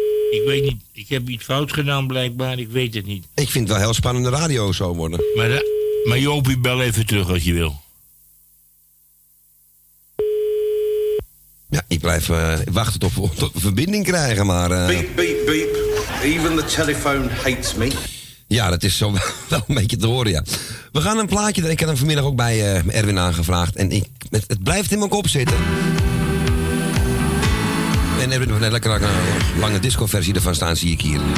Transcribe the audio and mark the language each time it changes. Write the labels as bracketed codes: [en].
[nl] Ik weet niet, ik heb iets fout gedaan blijkbaar, ik weet het niet. Ik vind het wel heel spannende radio zo worden. Maar Joopie, bel even terug als je wil. Ja, ik blijf wachten tot we verbinding krijgen, maar... Beep, beep, beep. [en] Even the telephone hates me. [nl] Ja, dat is zo wel een beetje te horen, ja. We gaan een plaatje, ik heb hem vanmiddag ook bij Erwin aangevraagd. En het blijft in mijn kop zitten. En Erwin heeft lekker een lange discoversie ervan staan, zie ik hier.